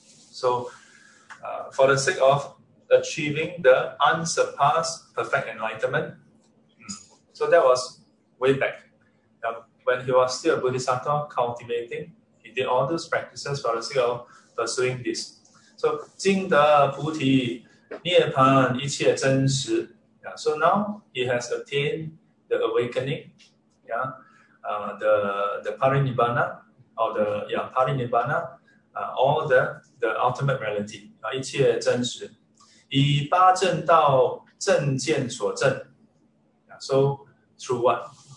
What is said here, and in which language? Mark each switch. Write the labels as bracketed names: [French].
[English] So for the sake of achieving the unsurpassed perfect enlightenment, so that was way back. When he was still a Bodhisattva cultivating, he did all those practices for the sake of pursuing this. [Chinese] So, 精得菩提, 涅槃一切真实. [English] Yeah, so now he has attained the awakening, yeah, the parinibbana, or the parinibbana, all the ultimate reality, [Chinese] 一切真实. 以八正道正见所证. [English] Yeah, so through what?